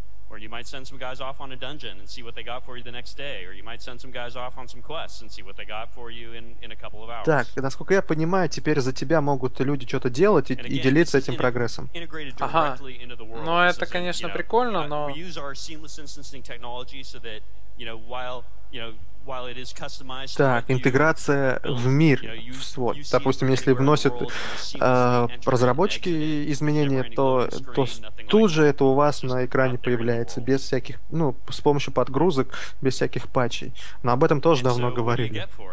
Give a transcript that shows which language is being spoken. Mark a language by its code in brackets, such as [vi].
[en] Or you might send some guys off on a dungeon and see what they got for you the next day. Or you might send some guys off on some quests and see what they got for you in a couple of hours. [ru] Так, насколько я понимаю, теперь за тебя могут люди что-то делать и делиться этим прогрессом. Ага. Ну, это, конечно, прикольно, но... [en] We use our seamless instancing technology so that, you know, while, you know, while it is customized... [ru] Так, интеграция в мир, в свой. Допустим, если вносят разработчики изменения, то тут же это у вас на экране появляется, без всяких, ну, с помощью подгрузок, без всяких патчей. Но об этом тоже давно говорили.